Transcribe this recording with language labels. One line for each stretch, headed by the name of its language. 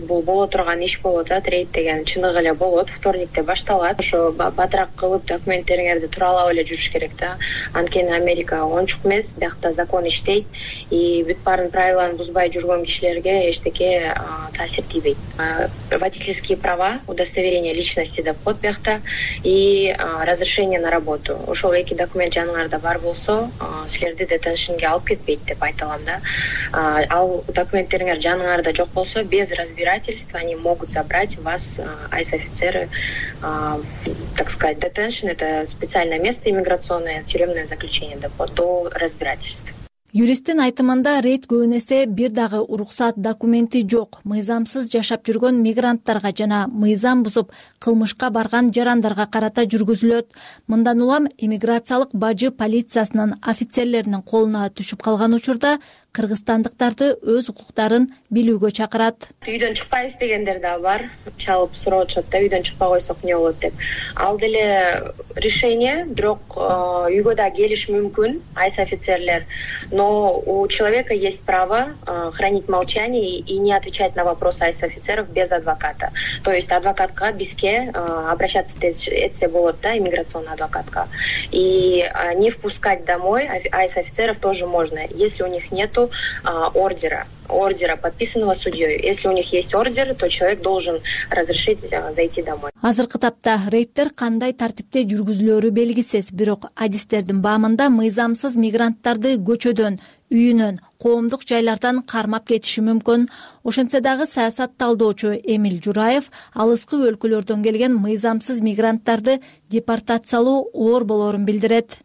Kyrgyz: Бул боло турган иш болуп атат. Рейд деген чыныгы эле болот. Вторникте башталат. Ошо батырак кылып документтериңерди тууралап эле жүрүш керек да. Анткени Америка ончук эмес, биякта закон иштейт. И бүт баарын правиланы бузбай жүргөн кишилерге эчтеке таасир тийбейт.
Russian: Водительские права, удостоверение личности
Kyrgyz: деп коет биякта.
Russian: И разрешение на работу.
Kyrgyz: Ошол эки документ жаныңарда бар болсо, силерди детеншинге алып кетпейт деп айта алам да. Ал документтериңер жаныңарда жок болсо,
Russian: без разбирательства они могут забрать вас, айс офицеры, так сказать, детеншин, это специальное место иммиграционное, тюремное заключение деп до разбирательств.
Kyrgyz: Юристтин айтымында рейд көбүнесе бир дагы уруксат документи жок, мыйзамсыз жашап жүргөн мигранттарга жана мыйзам бузуп кылмышка барган жарандарга карата жүргүзүлөт. Мындан улам иммиграциялык бажы полициясынын офицерлеринин колуна түшүп калган учурда кыргызстандыктарды өз укуктарын билүүгө чакырат. Үйдөн чыкпайбыз дегендер да бар. Чалып суроо жатат да, үйдөн чыкпай койсок эмне болот деп. Ал деле решение, бирок үйгө да келиш мүмкүн айс офицерлер.
Russian: Но у человека есть право хранить молчание и не отвечать на вопросы айс офицеров без адвоката. То есть адвокатка
Kyrgyz: бизге
Russian: обращаться
Kyrgyz: этсе болот да,
Russian: иммиграционный адвокатка. И не впускать домой айс офицеров тоже можно, если у них нету ордера, подписанного судьей. Если у них есть ордер, то человек должен разрешить зайти домой.
Kyrgyz: Азыркы тапта рейдтер кандай тартипте жүргүзүлөрү белгисиз, бирок адистердин баамында мыйзамсыз мигранттарды көчөдөн, үйүнөн, коомдук жайлардан кармап кетиши мүмкүн. Ошентсе дагы саясат талдоочу Эмиль Жураев алыскы өлкөлөрдөн келген мыйзамсыз мигранттарды депортациялоо оор болорун билдирет.